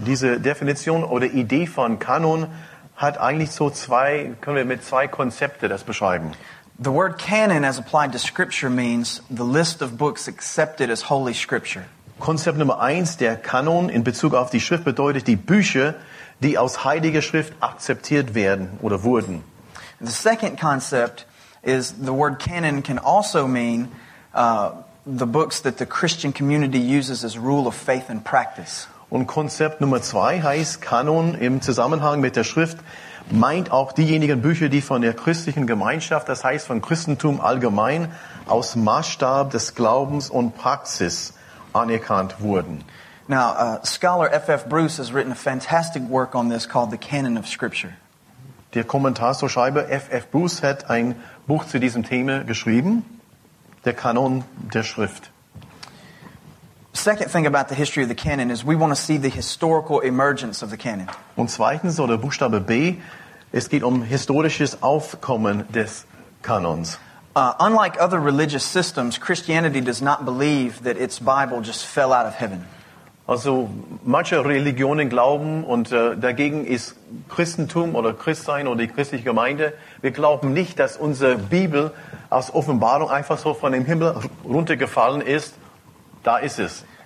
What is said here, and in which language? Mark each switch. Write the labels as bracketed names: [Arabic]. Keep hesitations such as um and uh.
[German] Diese Definition oder Idee von Kanon hat eigentlich so zwei können wir mit zwei Konzepte das beschreiben. [English] The word canon as applied to scripture means the list of books accepted as holy scripture. [German] Konzept Nummer 1 der Kanon in Bezug auf die Schrift bedeutet die Bücher, die aus heiliger Schrift akzeptiert werden oder wurden. [English] The second concept is the word canon can also mean Uh, the books that the Christian community uses as rule of faith and practice. [German] Und Konzept Nummer zwei heißt Kanon im Zusammenhang mit der Schrift meint auch diejenigen Bücher, die von der christlichen Gemeinschaft, das heißt von Christentum allgemein, aus Maßstab des Glaubens und Praxis anerkannt wurden. [English] Now, uh, scholar F. F. Bruce has written a fantastic work on this called the Canon of Scripture. [German] Der Kommentatorschreiber so F. F. Bruce hat ein Buch zu diesem Thema geschrieben. [English] Der der Second thing about the history of the canon is we want to see the historical emergence of the canon. [German] Und zweitens oder Buchstabe B, es geht um historisches Aufkommen des Kanons. [English] Uh, unlike other religious systems, Christianity does not believe that its Bible just fell out of heaven. [German] Also manche Religionen glauben und uh, dagegen ist Christentum oder Christsein oder die christliche Gemeinde. Wir glauben nicht, dass unsere Bibel aus Offenbarung einfach so von dem Himmel runtergefallen ist. Da ist es.